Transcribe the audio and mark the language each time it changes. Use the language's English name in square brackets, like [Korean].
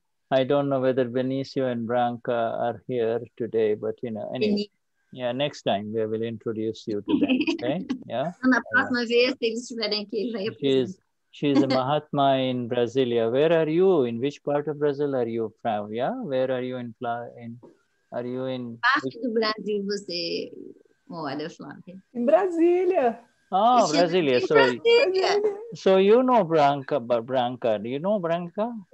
[English] I don't know whether Benicio and Branca are here today, but you know, anyway, next time we will introduce you to them, okay? Yeah. [Portuguese] Na próxima vez, se eles estiverem aqui, ele vai apresentar. [English] She's a Mahatma in Brasília. Where are you? In which part of Brazil are you from? Yeah. Where are you in? [Portuguese] Parte do Brasil você mora, Flávia? Em Brasília. [English] Oh, Brasília. So you know Branca, but Branca, do you know Branca?